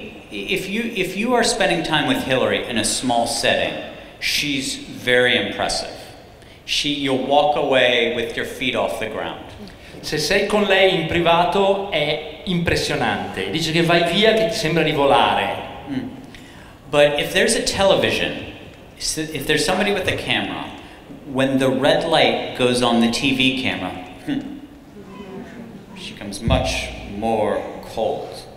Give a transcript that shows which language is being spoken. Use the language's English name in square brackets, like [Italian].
[English] if you are spending time with Hillary in a small setting, she's very impressive. You'll walk away with your feet off the ground. [Italian] Se sei con lei in privato è impressionante. Dice che vai via che ti sembra di volare. [English] But if there's a television, if there's somebody with a camera, when the red light goes on the TV camera, she becomes much more cold.